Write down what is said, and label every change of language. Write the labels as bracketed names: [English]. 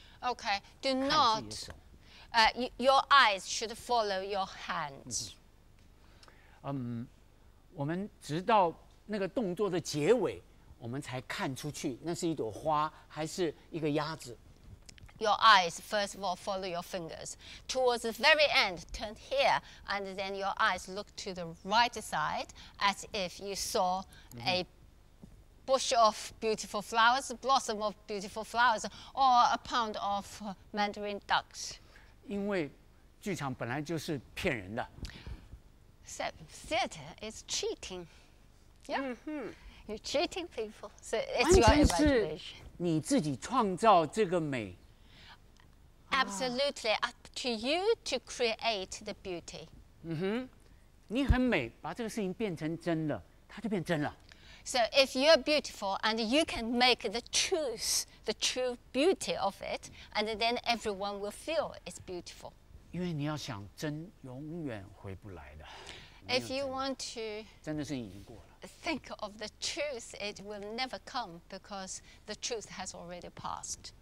[English] okay, do not, your eyes should follow your hands. [Chinese] 我们直到那个动作的结尾, 我们才看出去，那是一朵花还是一个鸭子？ [English] Your eyes, first of all, follow your fingers. Towards the very end, turn here, and then your eyes look to the right side as if you saw a bush of beautiful flowers, a blossom of beautiful flowers, or a pond of mandarin ducks. [Chinese] 因为剧场本来就是骗人的。 [English] So, theater is cheating. Yeah. Mm-hmm. You're cheating people, so it's your imagination. [Chinese] 你自己创造这个美。 [English] Absolutely, up to you to create the beauty. [Chinese] 嗯哼，你很美，把这个事情变成真了，它就变真了。 [English] So if you're beautiful and you can make the true beauty of it, and then everyone will feel it's beautiful. [Chinese] 因为你要想真，永远回不来的。 [English] If you want to, [Chinese] 真的是已经过了。 [English] Think of the truth, it will never come because the truth has already passed.